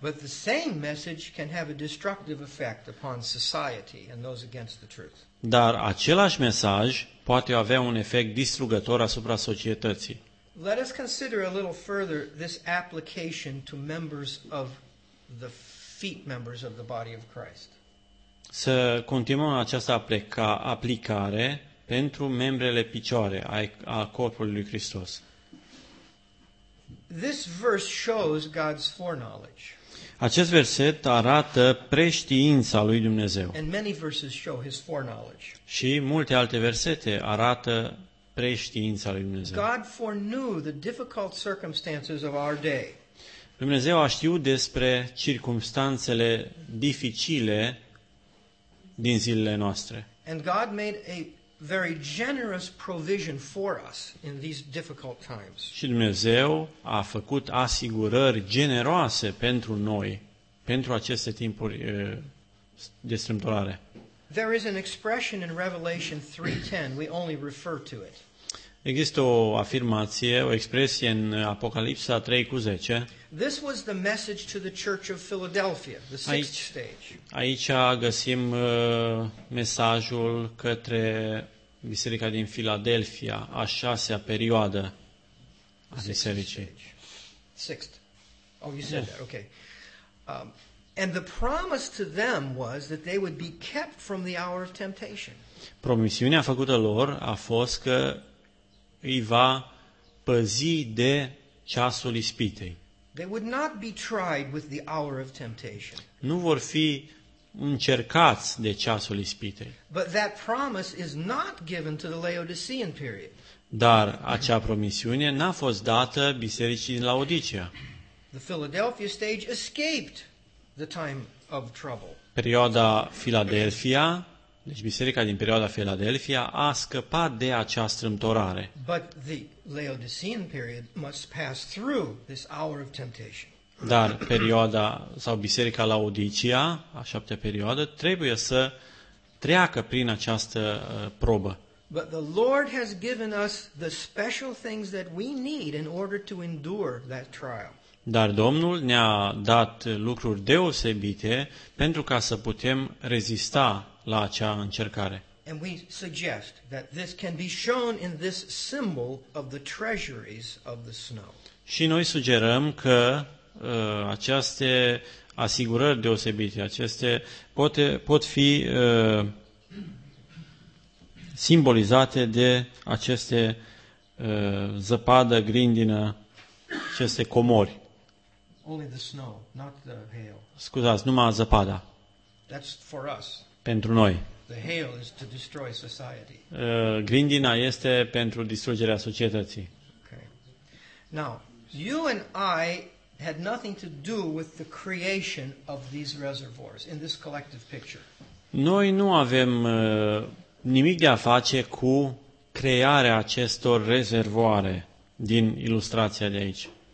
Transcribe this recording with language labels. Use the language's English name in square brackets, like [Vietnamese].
[English] But the same message can have a destructive effect upon society and those against the truth. [Romanian] Dar același mesaj poate avea un efect distrugător asupra societății. [English] Let us consider a little further this application to members of the feet members of the body of Christ. [Romanian] Să continuăm această aplicare pentru membrele picioare a corpului lui Hristos. [English] This verse shows God's foreknowledge. [Romanian] Acest verset arată preștiința lui Dumnezeu. [English] And many verses show his foreknowledge. [Romanian] Și multe alte versete arată preștiința lui Dumnezeu. [English] God foreknew the difficult circumstances of our day. [Romanian] Dumnezeu a știut despre circumstanțele dificile din zilele noastre. [English] And God made a very generous provision for us in these difficult times. [Romanian] Și Dumnezeu a făcut asigurări generoase pentru noi, pentru aceste timpuri de strâmtorare. [English] There is an expression in Revelation 3:10. We only refer to it. [Romanian] Există o afirmație, o expresie în Apocalipsa 3:10. [English] This was the message to the church of Philadelphia, the sixth stage. [Romanian] Aici găsim mesajul către biserica din Philadelphia, a șasea perioadă a bisericii. [English] Sixth. Oh, you said that. Okay. And the promise to them was that they would be kept from the hour of temptation. [Romanian] Promisiunea făcută lor a fost că îi va păzi de ceasul ispitei. [English] They would not be tried with the hour of temptation. [Romanian] Nu vor fi încercați de ceasul ispitei. [English] But that promise is not given to the Laodicean period. [Romanian] Dar acea promisiune n-a fost dată bisericii din Laodicea. [English] The Philadelphia stage escaped the time of trouble. [Romanian] Perioada Philadelphia, deci biserica din perioada Philadelphia a scăpat de acea strâmtorare. [English] But the Laodicean period must pass through this hour of temptation. [Romanian] Dar perioada sau biserica Laodicea, a șaptea perioadă, trebuie să treacă prin această probă. [English] But the Lord has given us the special things that we need in order to endure that trial. [Romanian] Dar Domnul ne-a dat lucruri deosebite pentru ca să putem rezista la acea încercare. [English] And we suggest that this can be shown in this symbol of the treasuries of the snow. [Romanian] Și noi sugerăm că aceste asigurări deosebite, aceste pot fi simbolizate de aceste zăpadă, grindină, aceste comori. [English] Only the snow, not the hail. [Romanian] Scuzați, numai zăpada. [English] That's for us. [Romanian] Pentru noi. [English] The hail is to destroy society. [Romanian] Grindina este pentru distrugerea societății. [English] Okay. Now, you and I had nothing to do with the creation of these reservoirs in this collective picture. [Romanian] Noi nu avem nimic de a face cu crearea acestor rezervoare din ilustrația de aici.